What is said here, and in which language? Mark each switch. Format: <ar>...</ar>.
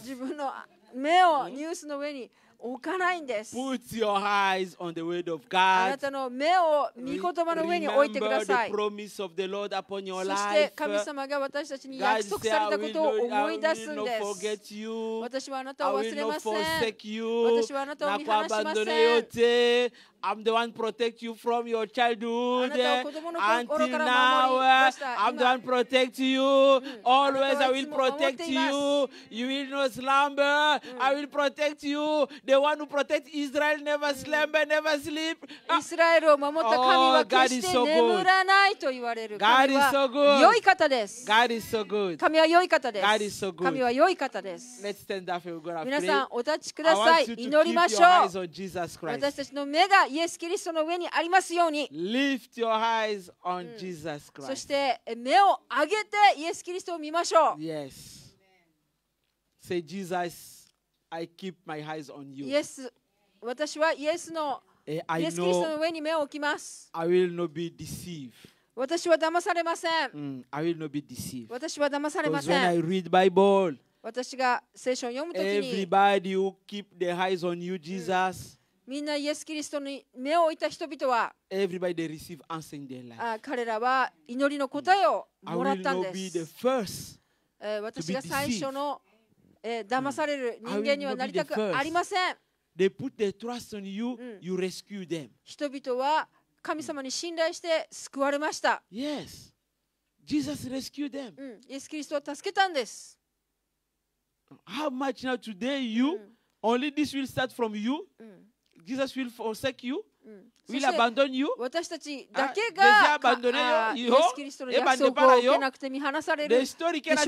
<ja>自分の目をニュースの上に置かないんです。</ja> <en>Put your eyes on the word of God.</en> <ja>あなたの目を御言葉の上に置いてください。</ja> <en>Remember the promise of the Lord upon your life.</en> <ja>そして神様が私たちに約束されたことを思い出すんです。</ja> <en>I will not forget you.</en> <ja>私はあなたを忘れません。</ja> <en>I will not forsake you.</en> <ja>私はあなたを見放しません。</ja> <en>Not abandon you. I'm the one protect you from your childhood.</en> <ja>あなたを子供の頃から守りました。</ja> <en>I'm the one protect you. Always I will protect you. You will not slumber. I will protect you. The one who protects Israel never slumber, never sleep.</en> <ja>Israel を守った神は決して眠らないと言われる。</ja> <en>God is so good.</en> <ja>良い方です。</ja> <en>God is so good.</en> <ja>神は良い方です。</ja> <en>God is so good.</en> <ja>神は良い方です。</ja> <en>Let's stand up. We're gonna pray.</en> <ja>皆さんお立ちください。祈りましょう。</ja> <en>I want you to keep your eyes on Jesus Christ.</en> <ja>私たちの目がイエス・キリストの上にありますように。</ja> <en>Lift your eyes on Jesus Christ.</en> <ja>そして目を上げてイエス・キリストを見ましょう。</ja> <en>Yes. Say Jesus. I keep my eyes on you.</en> <ja>Yes, 私はイエスの、イエス・キリストの上に目を置きます。</ja> <en>I will not be deceived.</en> <ja>私は騙されません。</ja> <en>I will not be deceived.</en> <ja>私は騙されません。</ja> <en>Because when I read Bible,</en> <ja>私が聖書を読むときに、</ja> <en>Everybody who keep their eyes on you, Jesus.</en> <ja>みんなイエス・キリストに目を置いた人々は、</ja> <en>Everybody they receive answer in their life.</en> <ja>彼らは祈りの答えをもらったんです。</ja> <en>I will not be the first to be deceived.</en> <ja>私が最初の、騙される人間にはなりたくありません。</ja> <en>They put their trust on you, you rescue them.</en> <ja>人々は神様に信頼して救われました。</ja> <en>Yes. Jesus rescued them.</en> <ja>イエス・キリストは助けたんです。</ja> <en>How much now today you, only this will start from you? Jesus will forsake you, will abandon you.</en> <ja>私たちだけが、イエス・キリストの約束を受けなくて見放されるでしょうか。</ja>